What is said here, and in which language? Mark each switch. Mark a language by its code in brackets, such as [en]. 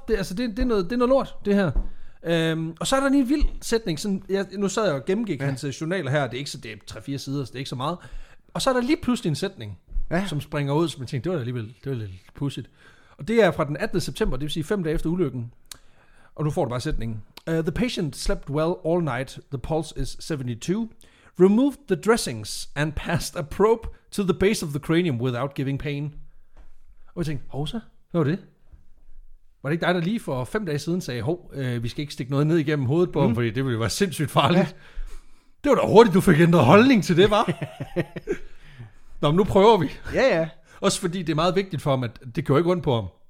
[da] Det er noget lort, det her. Og så er der lige en vild sætning sådan, nu sad jeg og gennemgik hans journaler her. Det er ikke så, det er 3-4 sider, så det er ikke så meget. Og så er der lige pludselig en sætning som springer ud, som jeg tænkte, det var alligevel, det var lidt pudsigt. Og det er fra den 18. september, det vil sige 5 dage efter ulykken. Og nu får du bare sætningen. [en] The patient slept well all night. The pulse is 72. Removed the dressings and passed a probe to the base of the cranium without giving pain. [da] Og jeg tænkte, hov så, hvad var det? Var det ikke dig, der lige for 5 dage siden sagde, hov, vi skal ikke stikke noget ned igennem hovedet på ham, fordi det ville være sindssygt farligt. Ja. Det var da hurtigt, du fik ændret holdning til det, var. Nå, men nu prøver vi. Ja, ja. Også fordi det er meget vigtigt for ham, at det kører ikke rundt på ham.